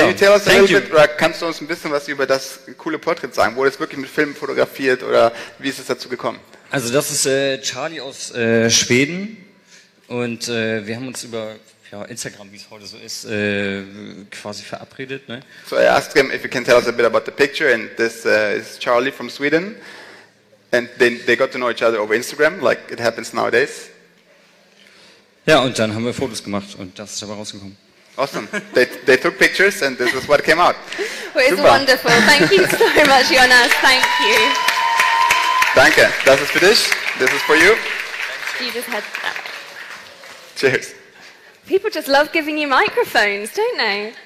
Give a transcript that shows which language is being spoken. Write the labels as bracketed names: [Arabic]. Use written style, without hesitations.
[English] Can you tell us a little bit, [German] oder kannst du uns ein bisschen was über das coole Portrait sagen? Wurde es wirklich mit Filmen fotografiert oder wie ist es dazu gekommen? Also das ist Charlie aus Schweden und wir haben uns über Instagram, wie es heute so ist, quasi verabredet. Ne? [English] So I asked him if he can tell us a bit about the picture and this is Charlie from Sweden and they got to know each other over Instagram, like it happens nowadays. [German] Ja, und dann haben wir Fotos gemacht und das ist aber rausgekommen. [English] Awesome. They took pictures and this is what came out. Well, it's super. Wonderful. Thank you so much, Jonas. Thank you. [German] Danke. Das ist für dich. [English] This is for you. You just had that. Cheers. People just love giving you microphones, don't they?